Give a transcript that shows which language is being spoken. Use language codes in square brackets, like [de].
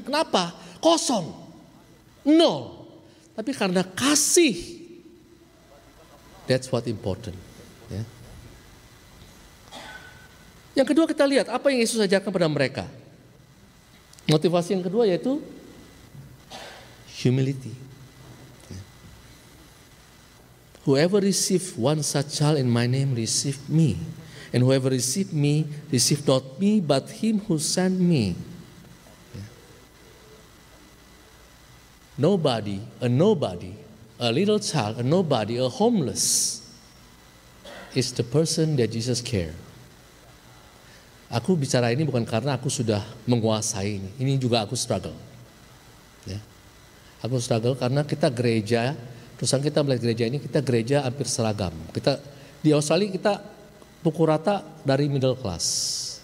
[id] Kenapa? Kosong. Nol. Tapi karena kasih, [en] that's what important. [id] Yeah. Yang kedua kita lihat apa yang Yesus ajarkan pada mereka. Motivasi yang kedua yaitu humility. [en] Whoever receive one such child in my name receive me, and whoever receive me receive not me but him who sent me. Nobody, a nobody, a little child, a nobody, a homeless is the person that Jesus care. [id] Aku bicara ini bukan karena aku sudah menguasai ini. Ini juga aku struggle. Ya. Aku struggle karena kita gereja, terus kita melihat gereja ini, kita gereja hampir seragam. Kita di Australia kita pukul rata dari middle class.